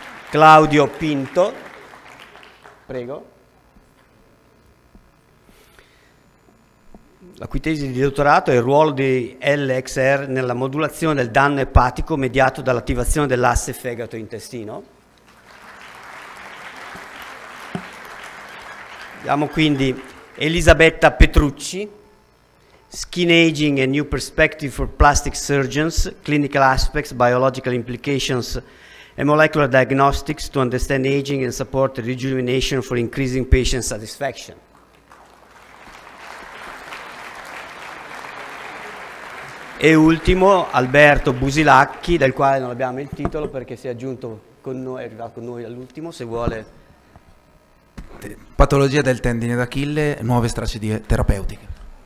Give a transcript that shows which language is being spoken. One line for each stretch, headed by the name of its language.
Italian: Claudio Pinto, prego. La cui tesi di dottorato è il ruolo di LXR nella modulazione del danno epatico mediato dall'attivazione dell'asse fegato-intestino. Abbiamo quindi
English: Elisabetta Petrucci, Skin Aging and New Perspective for Plastic Surgeons, Clinical Aspects, Biological Implications and Molecular Diagnostics to Understand Aging and Support Rejuvenation for Increasing Patient Satisfaction.
Italian: E ultimo, Alberto Busilacchi, del quale non abbiamo il titolo perché si è aggiunto con noi, è arrivato con noi all'ultimo, se vuole. Patologia del tendine d'Achille, nuove strategie terapeutiche.